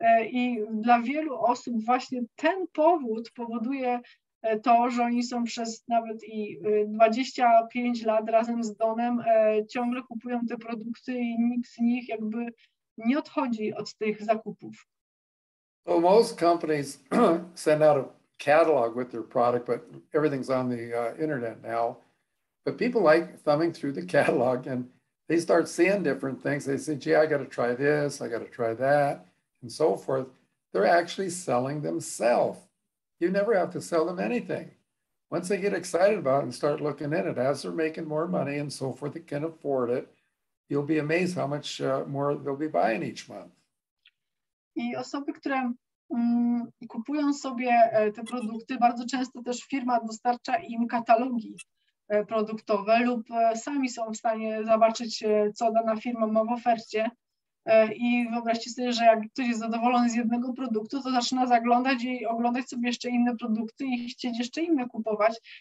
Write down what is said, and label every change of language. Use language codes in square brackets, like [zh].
[pl] I dla wielu osób właśnie ten powód powoduje to, że oni są przez nawet i 25 lat razem z Donem ciągle kupują te produkty i nikt z nich jakby nie odchodzi od tych zakupów. [en] So most companies send out a catalog with their product, but everything's on the internet now. But people like thumbing through the catalog and they start seeing different things. They say, gee, I got to try this, I got to try that, and so forth. They're actually selling themselves. You never have to sell them anything. Once they get excited about it and start looking in it, as they're making more money and so forth, they can afford it, you'll be amazed how much more they'll be buying each month. [pl] I osoby, które kupują sobie te produkty, bardzo często też firma dostarcza im katalogi produktowe lub sami są w stanie zobaczyć, co dana firma ma w ofercie. I wyobraźcie sobie, że jak ktoś jest zadowolony z jednego produktu, to zaczyna zaglądać i oglądać sobie jeszcze inne produkty i chcieć jeszcze inne kupować.